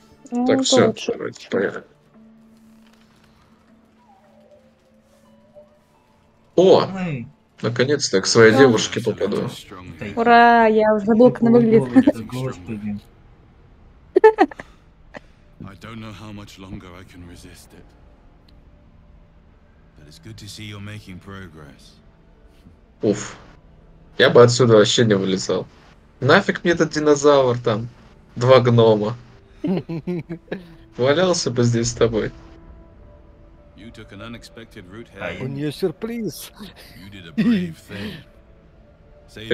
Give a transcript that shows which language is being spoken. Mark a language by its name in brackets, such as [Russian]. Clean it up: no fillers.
[Russian] Ну, так, все, лучше. Давайте, поехали. О! Наконец-то к своей девушке попаду. Ура! Я уже забыл, как она выглядит. [English] I don't know how much longer I can resist it. But it's good to see you're making progress. [Russian] Уф. Я бы отсюда вообще не вылезал. Нафиг мне этот динозавр там? Два гнома. Валялся бы здесь с тобой. [English] You took an unexpected route here. [Russian] У неё сюрприз. [English] You did a brave thing.